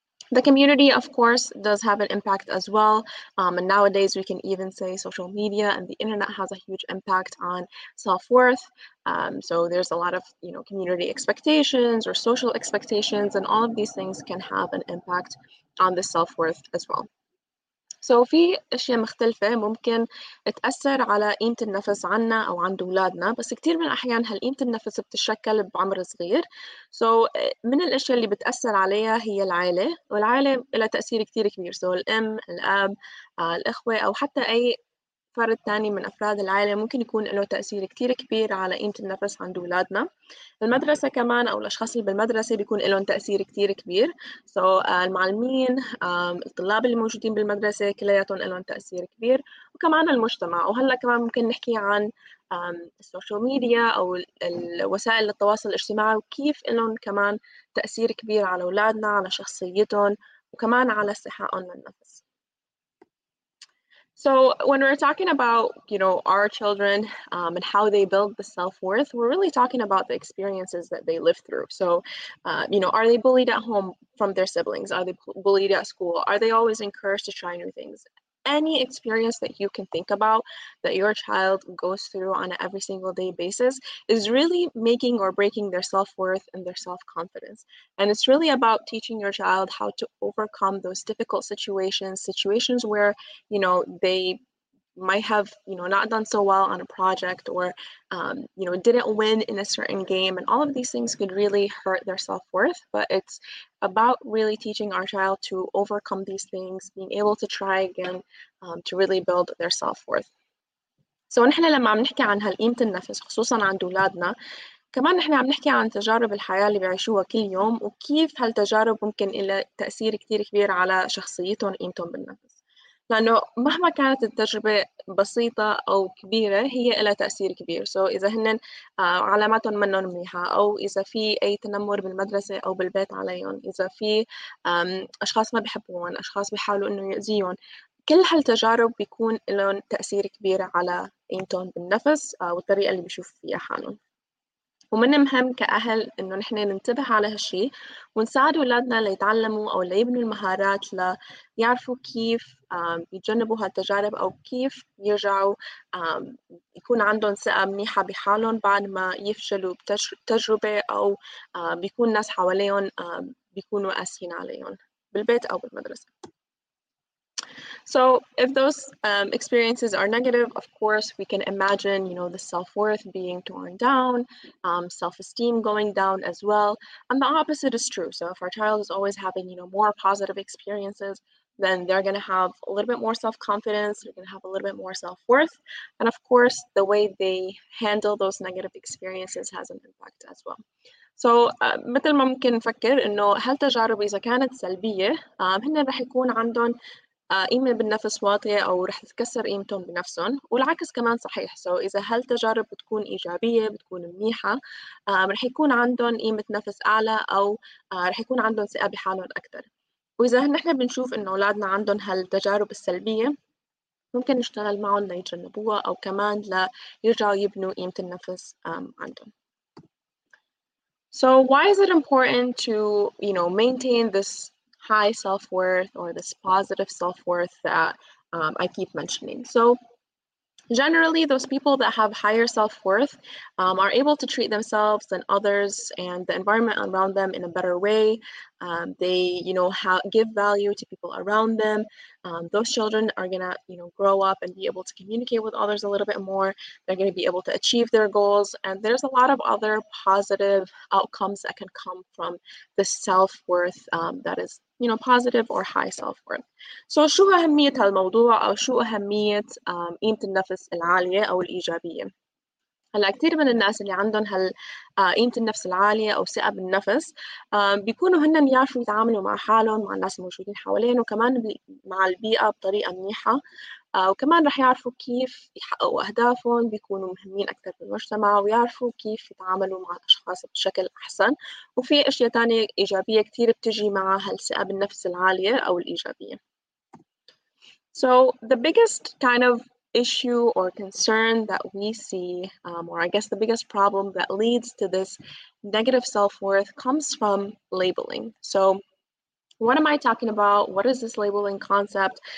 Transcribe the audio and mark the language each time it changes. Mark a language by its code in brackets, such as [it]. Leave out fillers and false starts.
[en] The community, of course, does have an impact as well. And nowadays, we can even say social media and the internet has a huge impact on self-worth. So there's a lot of, you know, community expectations or social expectations, and all of these things can have an impact on the self-worth as well. [ar] So في أشياء مختلفة ممكن تأثر على قيمة النفس عنا أو عند أولادنا, بس كتير من الأحيان هالقيمة النفس بتتشكل بعمر صغير. So من الأشياء اللي بتأثر عليها هي العائلة, والعائلة لها تأثير كتير كبير. So الأم, الأب, الأخوة أو حتى أي فرد تاني من أفراد العائلة ممكن يكون له تأثير كتير كبير على قيمة النفس عند أولادنا. المدرسة كمان أو الأشخاص اللي بالمدرسة بيكون لهم تأثير كتير كبير. So المعلمين, الطلاب اللي موجودين بالمدرسة كلياتهم لهم تأثير كبير, وكمان المجتمع. وهلأ كمان ممكن نحكي عن السوشيال ميديا أو الوسائل التواصل الاجتماعي وكيف لهم كمان تأثير كبير على أولادنا, على شخصيتهم, وكمان على صحتهم النفس. [en] So when we're talking about, you know, our children and how they build the self-worth, we're really talking about the experiences that they live through. So, you know, are they bullied at home from their siblings? Are they bullied at school? Are they always encouraged to try new things? Any experience that you can think about that your child goes through on an every single day basis is really making or breaking their self-worth and their self-confidence. And it's really about teaching your child how to overcome those difficult situations, situations where, you know, they might have, you know, not done so well on a project or, you know, didn't win in a certain game. And all of these things could really hurt their self-worth. But it's about really teaching our child to overcome these things, being able to try again to really build their self-worth. [ar] So نحن لما عم نحكي عن هالقيمة النفس خصوصا عند أولادنا, كمان نحن عم نحكي عن تجارب الحياة اللي بيعيشوها كل يوم وكيف هالتجارب ممكن لها تأثير كتير كبير على شخصيتهم وقيمتهم بالنفس. لأنه مهما كانت التجربة بسيطة أو كبيرة هي لها تأثير كبير. So إذا هن علاماتهم منهم منيحة, أو إذا في أي تنمر بالمدرسة أو بالبيت عليهم, إذا في أشخاص ما بيحبوهم, أشخاص بيحاولوا إنه يؤذيهم, كل هالتجارب بيكون لهم تأثير كبير على قيمتهم بالنفس والطريقة اللي بيشوف فيها حالهم. ومن المهم كأهل إنه نحن ننتبه على هالشي ونساعد أولادنا ليتعلموا أو ليبنوا المهارات ليعرفوا كيف يتجنبوا هالتجارب أو كيف يرجعوا يكون عندهم ثقة منيحة بحالهم بعد ما يفشلوا بتجربة أو بيكون ناس حواليهم بيكونوا قاسيين عليهم بالبيت أو بالمدرسة. [en] So if those experiences are negative, of course, we can imagine, you know, the self-worth being torn down, self-esteem going down as well. And the opposite is true. So if our child is always having, you know, more positive experiences, then they're going to have a little bit more self-confidence, they're going to have a little bit more self-worth. And of course, the way they handle those negative experiences has an impact as well. [ar] So مثل ما ممكن نفكر إنه هل تجارب إذا كانت سلبية, هن رح يكون عندهم قيمة بالنفس واطية أو رح تكسر قيمتهم بنفسهم, والعكس كمان صحيح. So إذا هل تجارب بتكون إيجابية بتكون منيحة, رح يكون عندهم قيمة نفس أعلى أو رح يكون عندهم ثقة بحالهم أكثر. وإذا نحن بنشوف إنه أولادنا عندهم هالتجارب السلبية, ممكن نشتغل معهم ليتجنبوها أو كمان ليرجعوا يبنوا قيمة النفس عندهم. [en] So why is it important to, you know, maintain this high self-worth or this positive self-worth that I keep mentioning? So generally, those people that have higher self-worth are able to treat themselves and others and the environment around them in a better way. They, you know, give value to people around them. Those children are gonna, you know, grow up and be able to communicate with others a little bit more. They're gonna be able to achieve their goals. And there's a lot of other positive outcomes that can come from the self-worth that is, you know, positive or high self-worth. [ar] So شو أهمية الموضوع أو شو أهمية قيمة النفس العالية أو الإيجابية؟ هلا كثير من الناس اللي عندهم هالقيمة النفس العالية أو ثقة بالنفس بيكونوا هن يعرفوا يتعاملوا مع حالهم مع الناس الموجودين حواليهم وكمان مع البيئة بطريقة منيحة وكمان رح يعرفوا كيف يحققوا أهدافهم بيكونوا مهمين أكثر بالمجتمع ويعرفوا كيف يتعاملوا مع الأشخاص بشكل أحسن وفي أشياء تانية إيجابية كثير بتجي مع هالثقة بالنفس العالية أو الإيجابية. [en] So the biggest kind of issue or concern that we see, or I guess the biggest problem that leads to this negative self-worth comes from labeling. So what am I talking about? What is this labeling concept?